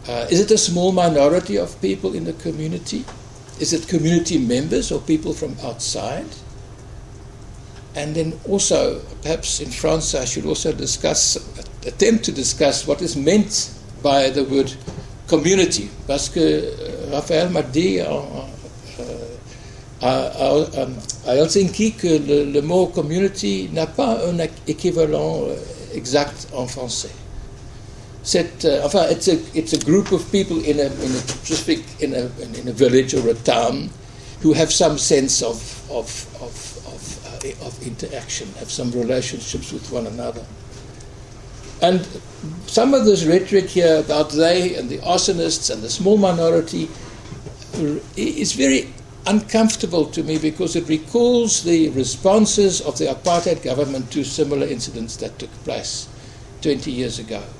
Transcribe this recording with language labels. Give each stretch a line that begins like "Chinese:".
English: Is it a small minority of people in the community? Is it community members or people from outside? And then also, perhaps in France, I should also attempt to discuss what is meant by the word community.
French: Parce que Raphaël m'a dit à Helsinki que le mot community n'a pas un équivalent exact en français.
English: It's a group of people in a village or a town who have some sense of interaction, have some relationships with one another. And some of this rhetoric here about they and the arsonists and the small minority is very uncomfortable to me because it recalls the responses of the apartheid government to similar incidents that took place 20 years ago.